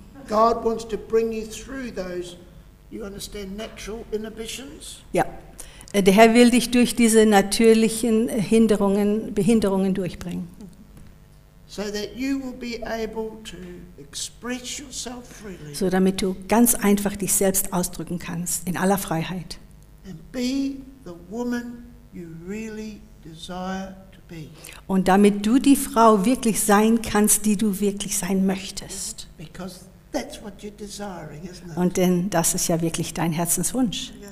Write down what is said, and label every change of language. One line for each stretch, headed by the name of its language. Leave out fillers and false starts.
English: God wants to bring you through those, you understand, natural inhibitions.
German: Ja. Der Herr will dich durch diese natürlichen Behinderungen durchbringen.
English: So that you will be able to express yourself freely.
German: So damit du ganz einfach dich selbst ausdrücken kannst, in aller Freiheit.
English: And be the woman you really desire to be.
German: Und damit du die Frau wirklich sein kannst, die du wirklich sein möchtest.
English: Because that's what you're desiring, isn't it?
German: Und denn das ist ja wirklich dein Herzenswunsch.